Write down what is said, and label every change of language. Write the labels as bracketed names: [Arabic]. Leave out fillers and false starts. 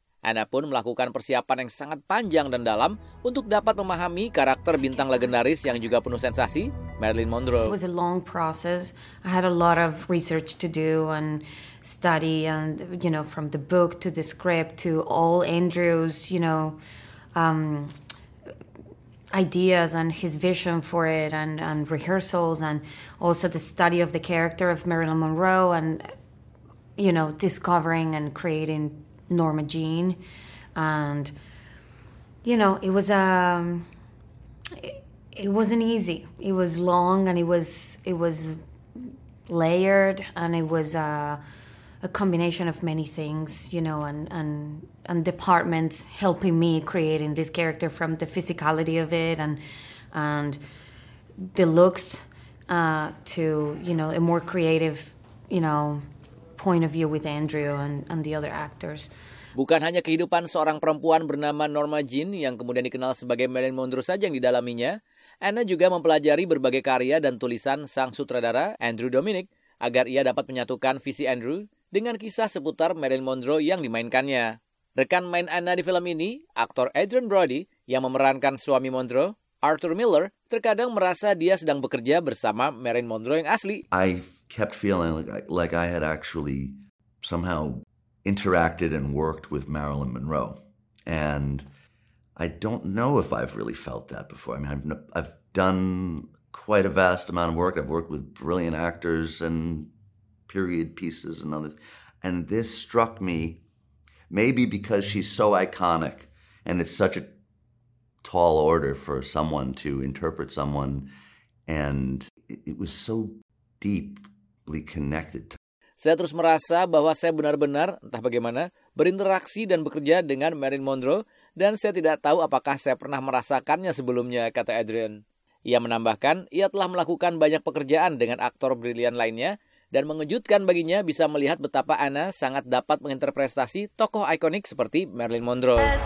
[Indonesian] Ana pun melakukan persiapan yang sangat panjang dan dalam untuk dapat memahami karakter bintang legendaris yang juga penuh sensasi, Marilyn Monroe. [English] It was a long process. I had a lot of research to do and study and, you know, from the book to the script to all Andrew's, you know, ideas and his vision for it and rehearsals and also the study of the character of Marilyn Monroe and, you know, discovering and creating Norma Jean. And, you know, it wasn't easy. It was long and it was layered and it was a combination of many things, you know, and departments helping me creating this character from the physicality of it and the looks to, you know, a more creative, you know, point of view with Andrew and the other actors. [Indonesian] Bukan hanya kehidupan seorang perempuan bernama Norma Jean yang kemudian dikenal sebagai Marilyn Monroe saja yang didalaminya, Anna juga mempelajari berbagai karya dan tulisan sang sutradara Andrew Dominik agar ia dapat menyatukan visi Andrew dengan kisah seputar Marilyn Monroe yang dimainkannya. Rekan main Anna di film ini, aktor Adrian Brody yang memerankan suami Monroe, Arthur Miller, terkadang merasa dia sedang bekerja bersama Marilyn Monroe yang asli. [English] I kept feeling like I had actually somehow interacted and worked with Marilyn Monroe. And I don't know if I've really felt that before. I mean, I've done quite a vast amount of work. I've worked with brilliant actors and period pieces and other, and this struck me, maybe because she's so iconic and it's such a tall order for someone to interpret someone, and it was so deeply connected to. [Indonesian] Saya terus merasa bahwa saya benar-benar, entah bagaimana, berinteraksi dan bekerja dengan Marilyn Monroe, dan saya tidak tahu apakah saya pernah merasakannya sebelumnya, kata Adrian. Ia menambahkan, ia telah melakukan banyak pekerjaan dengan aktor brilian lainnya, dan mengejutkan baginya bisa melihat betapa Anna sangat dapat menginterpretasi tokoh ikonik seperti Marilyn Monroe.